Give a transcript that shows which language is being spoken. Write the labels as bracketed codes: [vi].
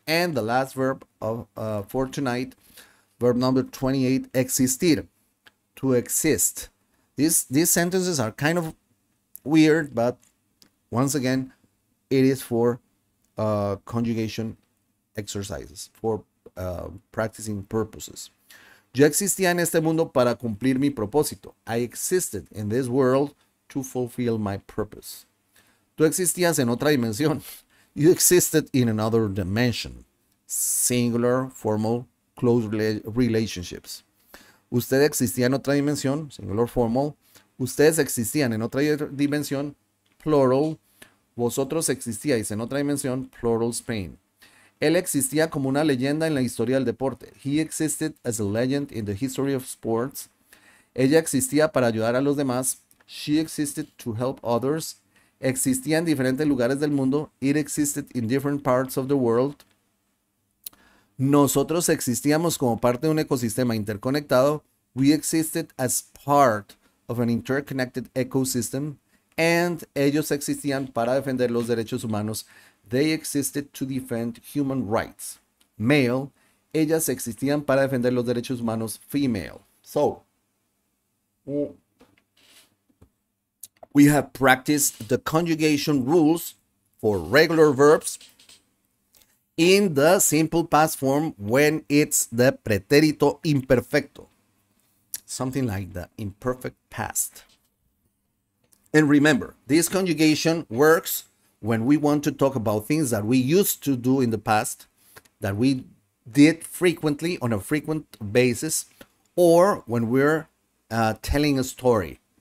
[en] And the last verb for tonight, verb number 28, existir. To exist. These sentences are kind of weird, but once again, it is for conjugation exercises for practicing purposes. [es] Yo existía en este mundo para cumplir mi propósito. [en] I existed in this world to fulfill my purpose. [es] Tú existías en otra dimensión. [en] You existed in another dimension. Singular, formal, close relationships. [es] Usted existía en otra dimensión. [en] Singular, formal. [es] Ustedes existían en otra dimensión. [en] Plural. [es] Vosotros existíais en otra dimensión. [en] Plural, Spain. [es] Él existía como una leyenda en la historia del deporte. [en] He existed as a legend in the history of sports. [es] Ella existía para ayudar a los demás. [en] She existed to help others. [es] Existía en diferentes lugares del mundo. [en] It existed in different parts of the world. [es] Nosotros existíamos como parte de un ecosistema interconectado. [en] We existed as part of an interconnected ecosystem. [es] And ellos existían para defender los derechos humanos. [en] They existed to defend human rights. Male. [es] Ellas existían para defender los derechos humanos. [en] Female. So, We have practiced the conjugation rules for regular verbs in the simple past form when it's the pretérito imperfecto. Something like the imperfect past. And remember, this conjugation works when we want to talk about things that we used to do in the past, that we did frequently on a frequent basis, or when we're telling a story.